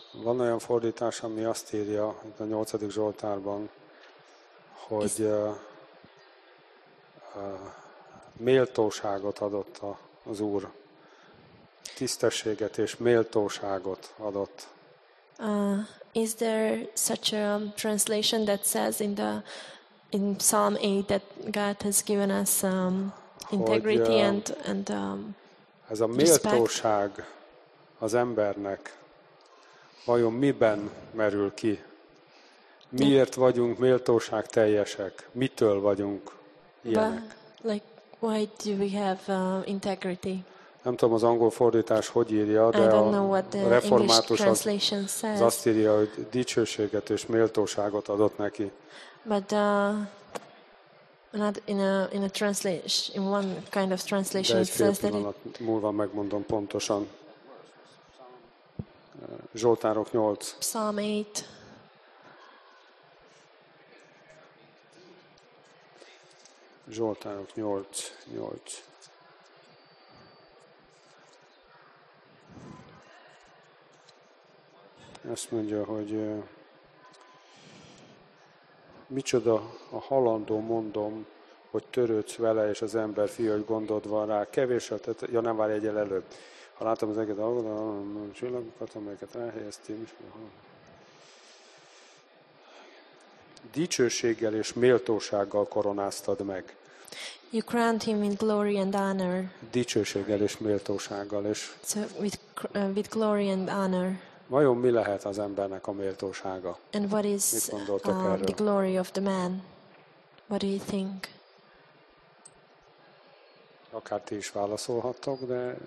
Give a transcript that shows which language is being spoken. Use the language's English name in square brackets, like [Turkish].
[Hungarian] Van olyan fordítás, ami azt írja a 8. Zsoltárban, hogy méltóságot adott az Úr. Tisztességet és méltóságot adott. [English] Is there such a translation that says in Psalm 8 that God has given us integrity [Hungarian] ez a méltóság az embernek vajon miben merül ki? Miért vagyunk méltóság teljesek? Mitől vagyunk ilyenek? [English] Like why do we have integrity? [Hungarian] Nem tudom, az angol fordítás hogy írja, de a református az azt írja, hogy dicsőséget és méltóságot adott neki. [English] But not in a translation, in one kind of translation it says that it... [Hungarian] Múlva megmondom pontosan. Zsoltárok 8. [English] Psalm 8. [Hungarian] Zsoltárok 8. 8. Azt mondja, hogy micsoda a halandó mondom, hogy törődsz vele, és az ember fia, hogy gondod van rá. Kevéssel, tehát, ja nem, várj egyel előbb. Ha látom az egész dolgot, a csillagokat, amelyeket elhelyeztél. Dicsőséggel és méltósággal koronáztad meg. [English] You crowned him in glory and honor. [Hungarian] Dicsőséggel és méltósággal. És [English] so with glory and honor. [Hungarian] Vajon mi lehet az embernek a méltósága? [English] And what is the glory of the man? What do you think? [Hungarian] Akár ti is válaszolhattok, de